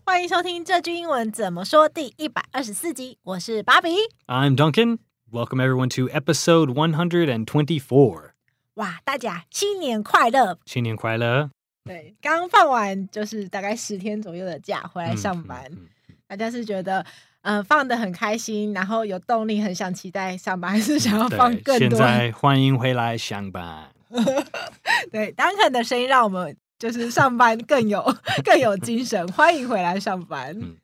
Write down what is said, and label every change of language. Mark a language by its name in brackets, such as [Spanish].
[Chinese] 欢迎收听这句英文怎么说第124集。我是芭比。 [English] I'm Duncan. Welcome everyone to episode 124. [Chinese] 哇，大家新年快乐！新年快乐！对，刚放完就是大概十天左右的假，回来上班。大家是觉得？放得很开心，然后有动力，很想期待上班，还是想要放更多？现在欢迎回来上班。对，丹肯的声音让我们就是上班更有精神，欢迎回来上班。